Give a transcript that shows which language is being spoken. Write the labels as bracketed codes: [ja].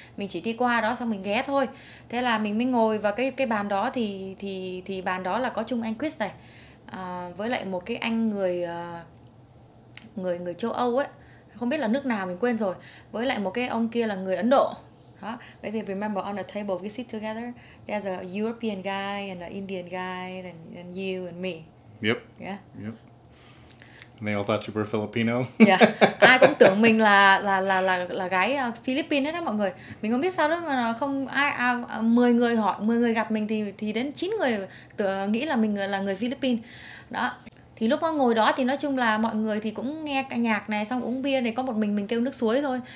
[vi] Mình chỉ đi qua đó xong mình ghé thôi. Thế là mình mới ngồi vào cái bàn đó thì bàn đó là có chung anh Quýt này. Với lại một cái anh người châu Âu ấy, không biết là nước nào mình quên rồi, với lại một cái ông kia là người Ấn Độ đó. Vậy thì [en] remember on the table we sit together, there's a European guy and an Indian guy and you and me. Yep. Yeah. Yep. And they all thought you were Filipino. Yeah. [vi] Ai cũng tưởng mình là gái Philippines hết đó mọi người. Mình không biết sao đó mà không ai 10 người hỏi, 10 người gặp mình thì đến 9 người nghĩ là mình là người Philippines. Đó. Thì lúc mà ngồi đó thì nói chung là mọi người thì cũng nghe cả nhạc này, xong uống bia này, có một mình kêu nước suối thôi.